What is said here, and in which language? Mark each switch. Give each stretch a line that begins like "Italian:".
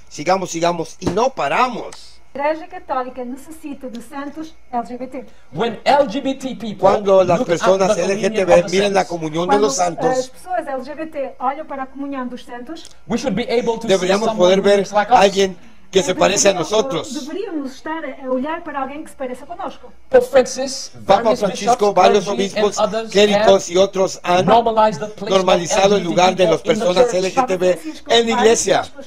Spanish: Sigamos, sigamos y no paramos. La iglesia católica necesita de santos LGBT.
English: When LGBT people
Spanish: cuando las personas LGTB miren la comunión de los santos, LGBT para la comunión de los santos,
English: we should be able to
Spanish: deberíamos
English: see
Spanish: poder ver
English: like
Spanish: a alguien que se parece a nosotros. Deberíamos
Portuguese: estar a olhar para alguém que se pareça conosco.
English: Pope Francis,
Spanish: Papa Francisco, varios obispos, clérigos y otros han normalizado el lugar de las personas LGTB en la iglesia.